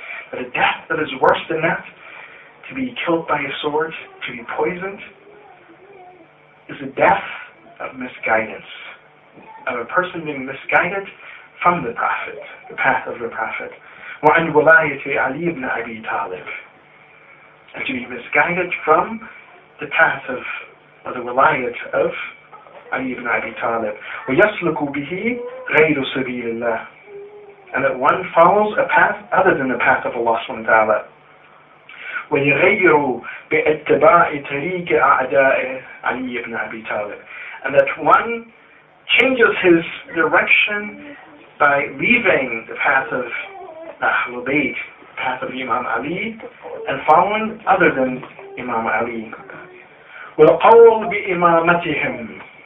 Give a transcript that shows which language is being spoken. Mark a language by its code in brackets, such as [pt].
[en] But a death that is worse than that, to be killed by a sword, to be poisoned, is a death of misguidance, of a person being misguided from the Prophet, the path of the Prophet. [ar] وَعَنْ وَلَايَةِ عَلِي بْنَ أَبِي طَالِبٍ, [en] and to be misguided from the path of, or the wilayat of, [ar] علي بن أبي طالب ويسلك به غير سبيل الله. [en] And that one follows a path other than the path of Allah subhanahu wa ta'ala. [ar] ويغير باتباع طريق أعداء علي بن أبي طالب. [en] And that one changes his direction by leaving the path of Ahl al-Bayt, the path of Imam Ali, and following other than Imam Ali. [ar] والقول بإمامتهم.